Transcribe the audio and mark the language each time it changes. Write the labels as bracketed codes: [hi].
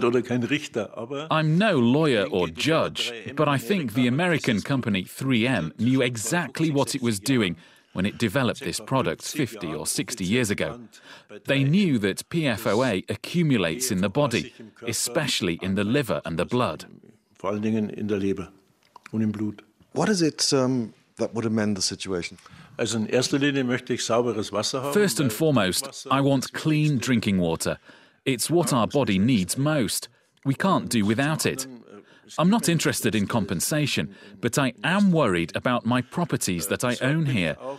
[en] I'm no lawyer or judge, but I think the American company 3M knew exactly what it was doing when it developed this product 50 or 60 years ago. They knew that PFOA accumulates in the body, especially in the liver and the blood. [de] Vor allen Dingen in der Leber und im Blut. [en] What is it that would amend the situation? First and foremost, I want clean drinking water. It's what our body needs most. We can't do without it. I'm not interested in compensation, but I am worried about my properties that I own here.